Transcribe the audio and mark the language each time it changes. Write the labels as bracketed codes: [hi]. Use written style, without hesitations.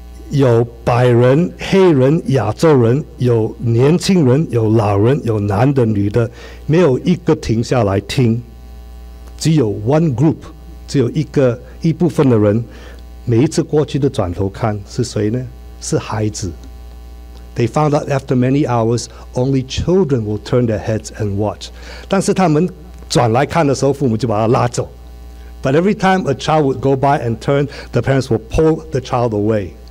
[zh] 有白人、黑人、亚洲人，有年轻人，有老人，有男的、女的，没有一个停下来听，只有 [en] one group， [zh] 只有一部分的人，每一次过去都转头看，是谁呢？是孩子。 [en] They found out after many hours, only children will turn their heads and watch. [zh] 但是他们转来看的时候，父母就把他拉走。 [en] But every time a child would go by and turn, the parents will pull the child away.